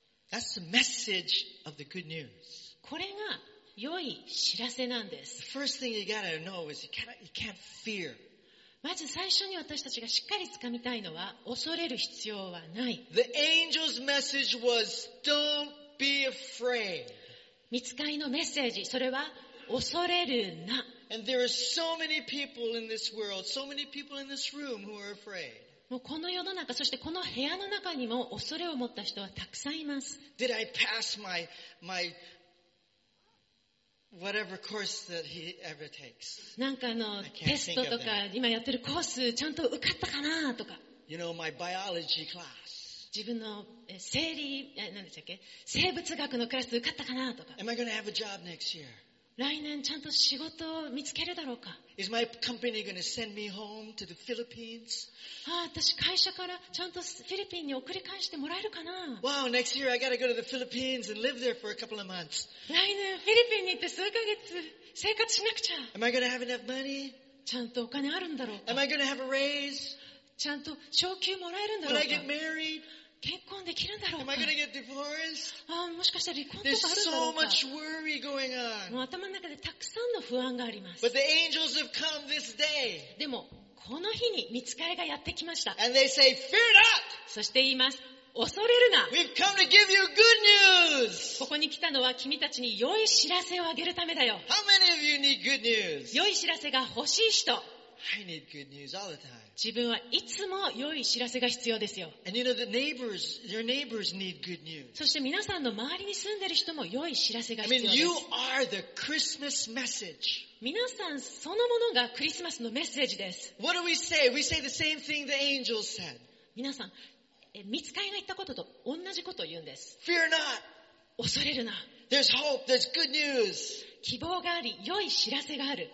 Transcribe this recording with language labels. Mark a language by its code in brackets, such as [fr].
[en] That's the message of the good news. [ja] これが良い知らせなんです。 [en] The first thing you gotta know is you can't fear. [ja] まず最初に私たちがしっかりつかみたいのは、恐れる必要はない。 [en] The angel's message was, don't be afraid. [ja] 御使いのメッセージ、それは、恐れるな。 [en] And there are so many people in this world, so many people in this room who are afraid. [ja] もうこの世の中、そしてこの部屋の中にも恐れを持った人はたくさんいます。 [en] Did I pass my... Whatever course that he ever takes. [ja] なんかテストとか今やってるコースちゃんと受かったかなとか。 [en] You know, my biology class. [ja] 自分の生理、何でしたっけ？生物学のクラス受かったかなとか。 [en] Am I gonna have a job next year? [ja] 来年ちゃんと仕事を見つけるだろうか。 [en] Is my company gonna send me home to the Philippines? [ja] ああ、私会社からちゃんとフィリピンに送り返してもらえるかな。 [en] Wow, next year I gotta go to the Philippines and live there for a couple of months. [ja] 来年フィリピンに行って数ヶ月生活しなくちゃ。 [en] Am I gonna have enough money? [ja] ちゃんとお金あるんだろうか。 [en] Am I gonna have a raise? [ja] ちゃんと昇給もらえるんだろうか。 [en] When I get married? [ja] 結婚できるんだろうか。 [en] Am I gonna get divorced? [ja] ああ、もしかしたら離婚とかあるだろうか。 [en] There's so much worry going on. [ja] もう頭の中でたくさんの不安があります。 [en] But the angels have come this day. [ja] でもこの日に御使いがやってきました。 [en] And they say, "Fear not!" [ja] そして言います、恐れるな。 [en] We've come to give you good news. [ja] ここに来たのは君たちに良い知らせをあげるためだよ。 [en] How many of you need good news? [ja] 良い知らせが欲しい人。 [en] I need good news all the time. [ja] 自分はいつも良い知らせが必要ですよ。 [en] And you know, the neighbors, your neighbors need good news. [ja] そして皆さんの周りに住んでる人も良い知らせが必要です。 [en] I mean, you are the Christmas message. [ja] 皆さんそのものがクリスマスのメッセージです。 [en] What do we say? We say the same thing the angels said. [ja] 皆さん、御使いが言ったことと同じことを言うんです。 [en] Fear not. [ja] 恐れるな。 [en] There's hope. There's good news. [ja] 希望があり、良い知らせがある。